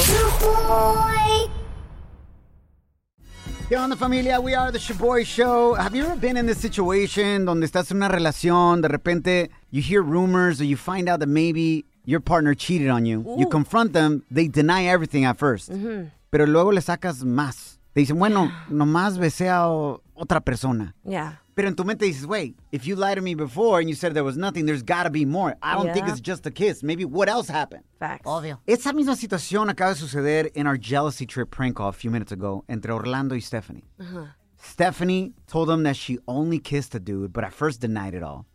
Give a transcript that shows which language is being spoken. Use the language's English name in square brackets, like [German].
[English] Shaboy. [Spanish] ¿Qué onda, familia? [English] We are the Shaboy Show. Have you ever been in this situation [Spanish] donde estás en una relación, de repente [English] you hear rumors or you find out that maybe your partner cheated on you? Ooh. You confront them, they deny everything at first. Mm-hmm. [Spanish] Pero luego le sacas más. Te dicen, bueno, nomás besé a otra persona. [English] Yeah. [Spanish] Pero en tu mente dices, [English] wait, if you lied to me before and you said there was nothing, there's got to be more. I don't think it's just a kiss. Maybe what else happened? Facts. [Spanish] Obvio. Esa misma situación acaba de suceder [English] in our jealousy trip prank call a few minutes ago [Spanish] entre Orlando y Stephanie. Uh-huh. [English] Stephanie told him that she only kissed a dude, but at first denied it all.